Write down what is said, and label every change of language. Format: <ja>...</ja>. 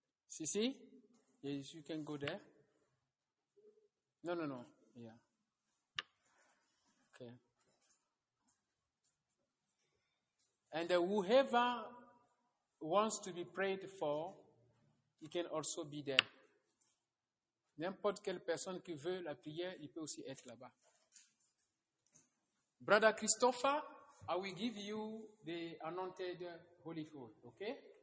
<en>Sissy, yes, you can go there. No. Yeah. Okay. And whoever wants to be prayed for, he can also be there.</en> <fr>N'importe quelle personne qui veut la prière, il peut aussi être là-bas.</fr> <en>Brother Christopher, I will give you the anointed holy food, okay?</en>